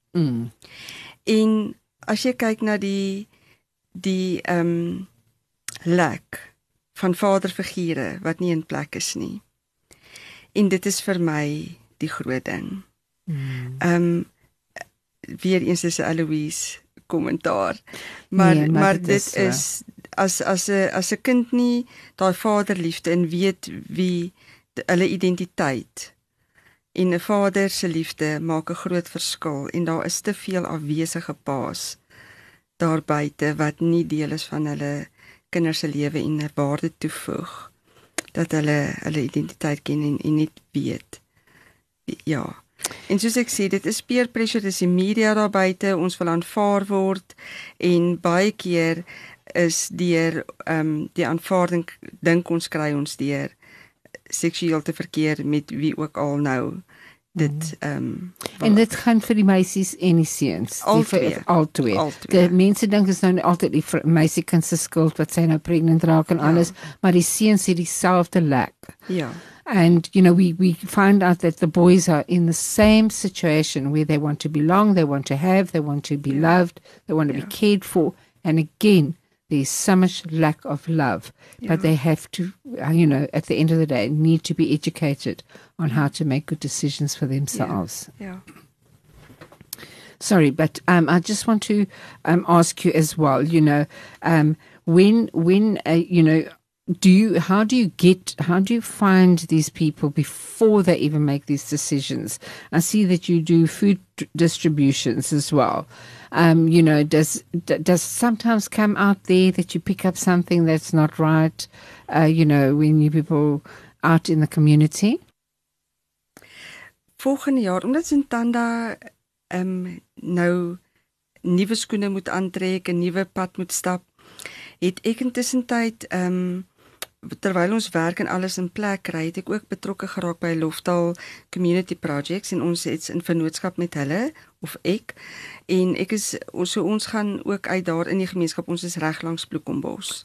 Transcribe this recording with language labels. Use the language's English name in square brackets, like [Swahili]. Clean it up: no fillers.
[Afrikaans] En as jy kyk na die lack van vaderfigure wat nie in plek is nie. En dit is vir my die groot ding. Weer eens is Eloise kommentaar. Maar dit is, as 'n kind nie daai vaderliefde en weet wie hulle identiteit, en 'n vader se liefde maak 'n groot verskil, en daar is te veel afwesige paas daar buite wat nie deel is van hulle kinders se lewe en 'n waarde toevoeg, dat hulle identiteit ken en net weet. Ja. En soos ek sê, dit is peer pressure, dis die media daar buite, ons wil aanvaar word, en baie keer is deur die aanvaarding, dink ons kry ons deur seksueel te verkeer met wie ook al nou dit. En dit gaan vir die meisies en die seuns. Altwee. Die mense dink is nou altyd die meisie kan se skuld wat sy nou pregnant raak en alles, maar die seuns het dieselfde lack. Ja. [English] And, you know, we find out that the boys are in the same situation where they want to belong, they want to have, they want to be loved, they want to be cared for. And again, there's so much lack of love, but they have to, you know, at the end of the day, need to be educated on how to make good decisions for themselves. Yeah. Sorry, but I just want to ask you as well, you know, when you know, How do you find these people before they even make these decisions? I see that you do food distributions as well. You know, does sometimes come out there that you pick up something that's not right, you know, when you people out in the community? [Afrikaans] Volgende jaar, omdat Zintanda nou nieuwe schoenen moet aantrek, een nieuwe pad moet stap, het ek intussen tyd, terwyl ons werk en alles in plek kry, het ek ook betrokke geraak by Loftal Community Projects en ons het in vennootskap met hulle, of ek, en ek is, so ons gaan ook uit daar in die gemeenskap, ons is reg langs Bloekombos.